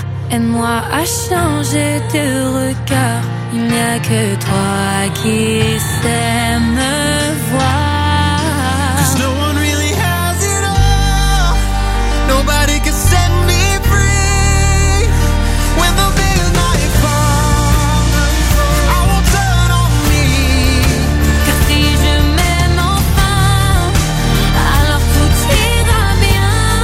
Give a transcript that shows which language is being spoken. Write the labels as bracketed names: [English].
[French] Aide-moi à changer de regard. Il n'y a que toi qui sais me voir. [English] 'Cause no one really has it all. Nobody can set me free. When the midnight falls, I won't turn on me. [French] 'Car si je m'aime enfin, alors tout ira bien.